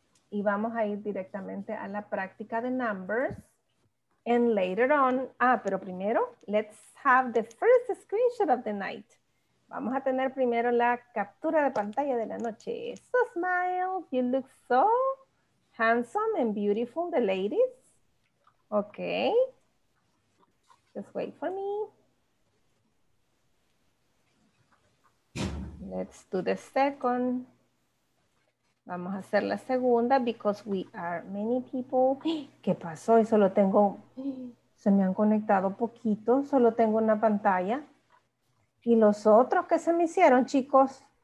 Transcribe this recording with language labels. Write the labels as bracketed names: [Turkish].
[Spanish] Y vamos a ir directamente a la práctica de numbers. [English] And later on, [Spanish] pero primero, [English] let's have the first screenshot of the night. [Spanish] Vamos a tener primero la captura de pantalla de la noche. [English] So smile, you look so handsome and beautiful, the ladies. Okay. Just wait for me. Let's do the second. [Spanish] Vamos a hacer la segunda [English] because we are many people. [Spanish] ¿Qué pasó? Y solo tengo, se me han conectado poquito, solo tengo una pantalla. ¿Y los otros que se me hicieron, chicos?